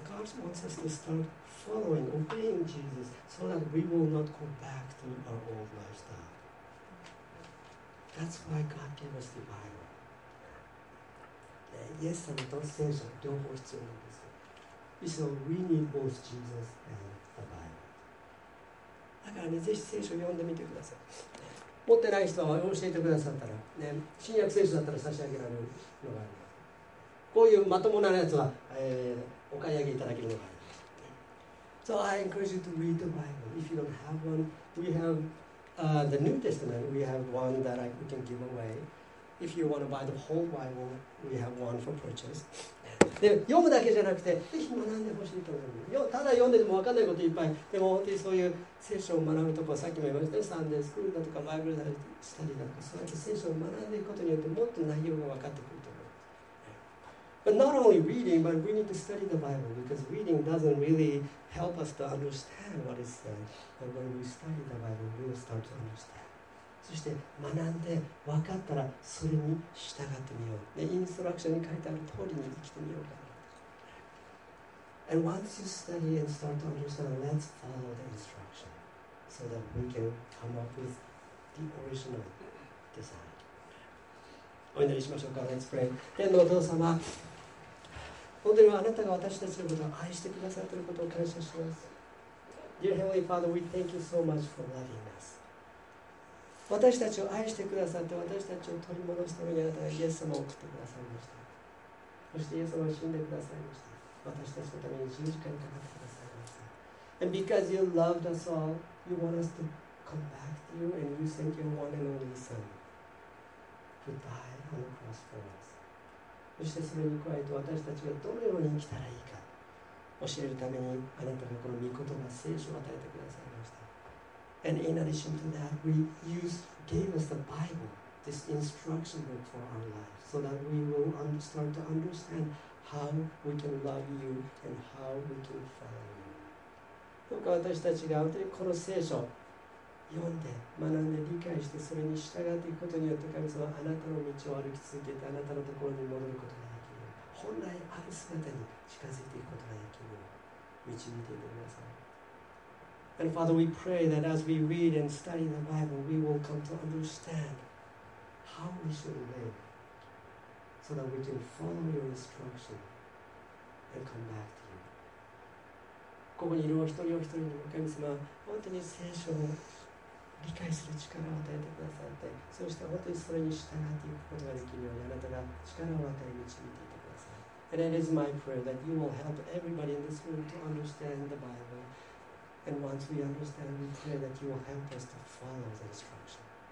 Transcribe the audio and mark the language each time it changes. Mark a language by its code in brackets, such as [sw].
[en] God wants us to startfollowing, obeying Jesus, so that we will not go back to our old lifestyle. That's why God gave us the Bible. Yes, and the sense of the whole story of this. So we need both Jesus and the Bible. [ja] だからね、ぜひ聖書を読んでみてください。持ってない人は教えてくださったら、ね、新約聖書だったら差し上げられるのがあります。こういうまともなやつは、お買い上げいただけるのがあります。 [en] So I encourage you to read the Bible. If you don't have one, we have the New Testament. We have one that we can give away. If you want to buy the whole Bible, we have one for purchase. [ja] で、読むだけじゃなくて、ぜひ学んでほしいと思います。ただ読んでても分かんないこといっぱい。でも本当にそういう聖書を学ぶとこ、さっきも言いましたね、サンデースクールだとか、バイブルスタディだとか、そうやって聖書を学んでいくことによって、もっと内容が分かってくると思います。 [en] But not only reading, but we need to study the Bible because reading doesn't really help us to understand what is said. But when we study the Bible, we will start to understand. [ja] そして学んで分かったらそれに従ってみよう。で、インストラクションに書いてある通りに生きてみようかな。 [en] And once you study and start to understand, let's follow the instruction so that we can come up with the original design. [ja] お祈りしましょうか。 [en] Let's pray. [ja] 天のお父様、本当にあなたが私たちのことを愛してくださっていることを感謝します。 [en] Dear Heavenly Father, we thank you so much for loving us. [ja] 私たちを愛してくださって、私たちを取り戻すためにあなたがイエス様を送ってくださいました。そしてイエス様は死んでくださいました。私たちのために十字架にかかってくださいました。 [en] And because you loved us all, you want us to come back to you and you sent your one and only Son. To die on the cross for us. [ja] そしてそれに加えて私たちがどのように生きたらいいか教えるためにあなたがこの御言葉聖書を与えてくださいました。 [en] And in addition to that, gave us the Bible, this instruction book for our lives, so that we will start to understand how we can love you and how we can follow you. [ja] どうか私たちが本当にこの聖書読んで学んで理解してそれに従っていくことによって神様はあなたの道を歩き続けてあなたのところに戻ることができる本来ある姿に近づいていくことができる導いていてください。 [en] And Father we pray that as we read and study the Bible we will come to understand how we should live so that we can follow your instruction and come back to you. [ja] ここにいるお一人お一人にも神様は本当に聖書を理解する力を与えてくださって、そして本当にそれに従っていくことができるようにあなたが力を与え導いていてください。 [en] And it is my prayer that you will help everybody in this room to understand the Bible. And once we understand, we pray that you will help us to follow the instruction.